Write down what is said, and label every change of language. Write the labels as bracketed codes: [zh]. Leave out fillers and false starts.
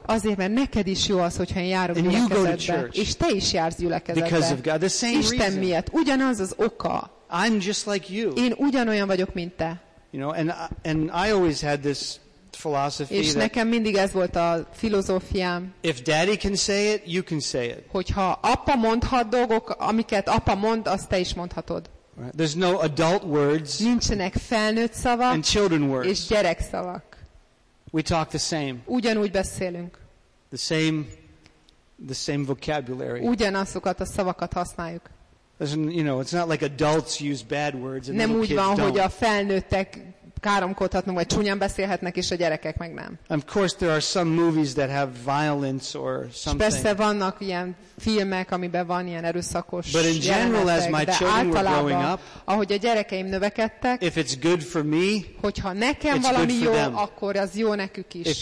[hu] Azért, mert neked is jó az, hogyha én járok [en] And [hu] gyülekezetbe. [en] You go to church. [hu] És te is jársz gyülekezetbe. [en] Because of God. The same [hu] Isten [en] reason. [hu] Miatt. Ugyanaz az oka. [en] I'm just like you. [hu] Én ugyanolyan vagyok, mint te. [en] You know, and I always had this philosophy [hu] és nekem mindig ez volt a filozófiám. [en] If daddy can say it, you can say it. [hu] Hogyha apa mondhat dolgok, amiket apa mond, azt te is mondhatod. [en] Right. There's no adult words. [hu] Nincsenek felnőtt szavak. [en] And children words. [hu] És gyerek szavak. [en] We talk the same. [hu] Ugyanúgy beszélünk. [en] The same vocabulary. [hu] Ugyanazokat a szavakat használjuk. [en] You know, it's not like adults use bad words and [hu] nem [en] little [hu] úgy van, [en] kids don't. [hu] Hogy a felnőttek káromkodhatnak, vagy csúnyán beszélhetnek, és a gyerekek meg nem. [en] Of course there are some movies that have violence or something. [hu] Persze vannak ilyen filmek, amiben van ilyen erőszakos. [en] But in general, as my children were growing up, [hu] ahogy a gyerekeim növekedtek, [en] if it's good for me, [hu] hogyha nekem valami jó, akkor az jó nekük is.